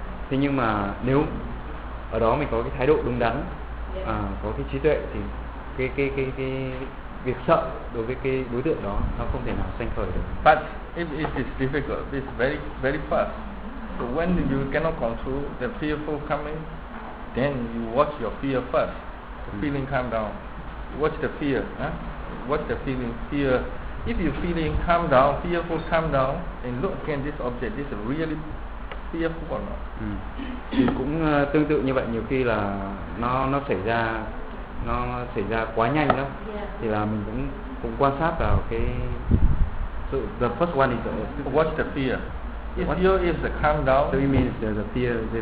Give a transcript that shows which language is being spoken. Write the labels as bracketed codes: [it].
[vi] Thế nhưng mà nếu ở đó mình có cái thái độ đúng đắn, có cái trí tuệ, thì cái việc sợ đối với cái đối tượng đó nó không thể nào sanh khởi được. [en] But if it is difficult, it's very very fast. So when you cannot control the fearful coming, then you watch your fear first. The feeling calm down. Watch the fear. Watch the feeling. Fear if you're feeling calm down, fearful, calm down, and look again this object, this is really fearful or not? [vi] Thì cũng tương tự như vậy, nhiều khi là nó xảy ra quá nhanh lắm. Thì là mình cũng quan sát vào cái sự, [en] the first one is what's the fear? Fear is the calm down. So it means the fear. The